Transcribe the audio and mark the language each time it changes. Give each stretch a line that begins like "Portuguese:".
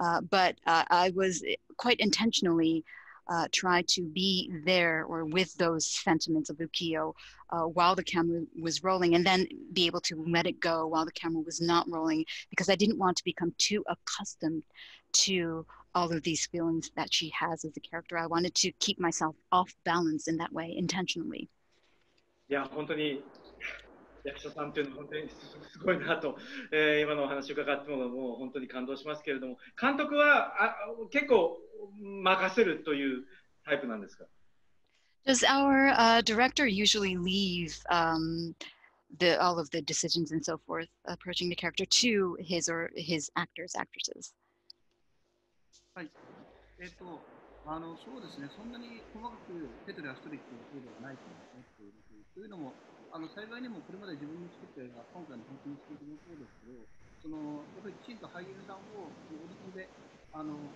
English: But I was quite intentionally try to be there or with those sentiments of Ukiyo while the camera was rolling, and then be able to let it go while the camera was not rolling, because I didn't want to become too accustomed to all of these feelings that she has as a character. I wanted to keep myself off balance in that way intentionally.
Japanese: Yeah, 本当に役者さんというのは本当にすごいなと、今のお話を伺っても、もう本当に感動しますけれども、監督は結構任せるというタイプなんですか？
English: Does our director usually leave all of the decisions and so forth approaching the character to his or his actors, actresses?
Japanese: はい、そうですね、そんなに細かく手ペトリアストリックのせいではないと思っているというのも、あの幸いにもこれまで自分の作った映画、今回の本当に作品もそうですけど、そのやっぱりきちんと俳優さんをオーディションで選